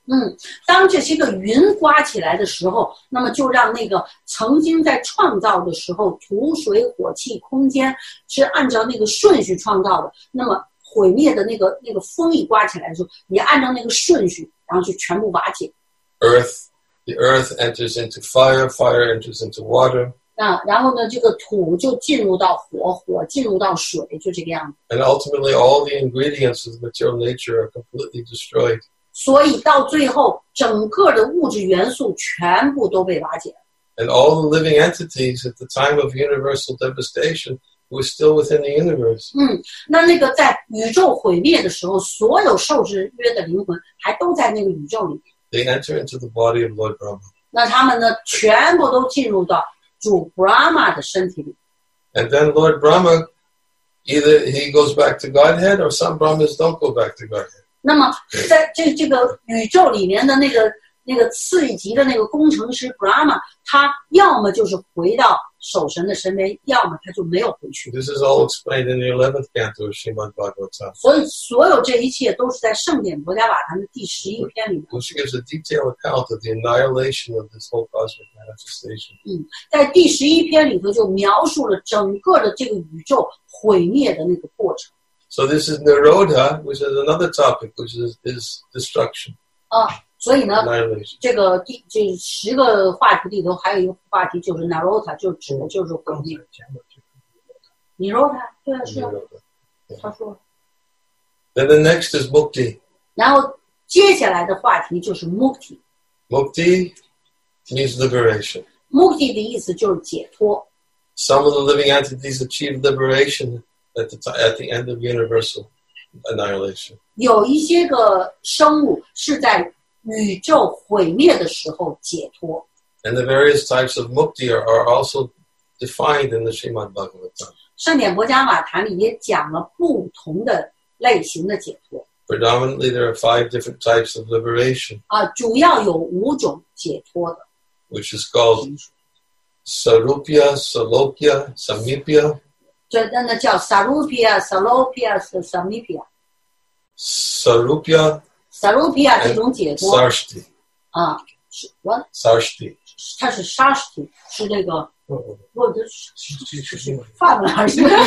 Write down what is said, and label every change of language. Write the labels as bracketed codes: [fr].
[zh] 嗯，当这些个云刮起来的时候，那么就让那个曾经在创造的时候，土、水、火、气、空间是按照那个顺序创造的。那么毁灭的那个风一刮起来的时候，也按照那个顺序，然后就全部瓦解。 [en] Earth, the earth enters into fire, fire enters into water. [zh] 那然后呢，这个土就进入到火，火进入到水，就这个样子。 [en] And ultimately, all the ingredients of the material nature are completely destroyed. [zh] 所以到最后，整个的物质元素全部都被瓦解。 [en] And all the living entities at the time of universal devastation were still within the universe. [zh] 嗯，那个在宇宙毁灭的时候，所有受制约的灵魂还都在那个宇宙里面。 [en] They enter into the body of Lord Brahma. [zh] 那他们呢，全部都进入到主 Brahma 的身体里。 [en] And then Lord Brahma, either he goes back to Godhead, or some Brahmas don't go back to Godhead. [zh] 那么在这个宇宙里面的那个次一级的那个工程师 Brahma, 他要么就是回到守神的身边，要么他就没有回去。 [en] This is all explained in the 11th canto of Srimad Bhagavatam. [zh] 所以所有这一切都是在圣典博迦瓦坛的第十一篇里面。 [en] Which gives a detailed account of the annihilation of this whole cosmic manifestation. [zh] 嗯，在第十一篇里头就描述了整个的这个宇宙毁灭的那个过程。 [en] So this is Nirodha, which is another topic, which is destruction. 啊。 [zh] 所以呢，这个第这十个话题里头还有一个话题就是 Narota， 就指的就是毁灭。 Narota， 对啊，是他说。 [en] Then the next is Mukti。 [zh] 然后接下来的话题就是 Mukti。 [en] Mukti means liberation。 [zh] Mukti 的意思就是解脱。 [en] Some of the living entities achieve liberation at the end of universal annihilation。 [zh] 有一些个生物是在宇宙毁灭的时候解脱。 [en] And the various types of mukti are also defined in the Srimad Bhagavatam. [zh] 圣典博迦瓦坛里也讲了不同的类型的解脱。 [en] Predominantly, there are 5 different types of liberation. [zh] 啊，主要有五种解脱的。 [en] Which is called sarupya, salokya, samipya. [zh] 这真的叫 sarupya, salokya, samipya. [en] Sarupya. [zh] Sarupya 这种解脱 [en] Sarshti [zh] 啊，是 [en] what Sarshti [zh] 它是 Sarshti 是那个我的发文还是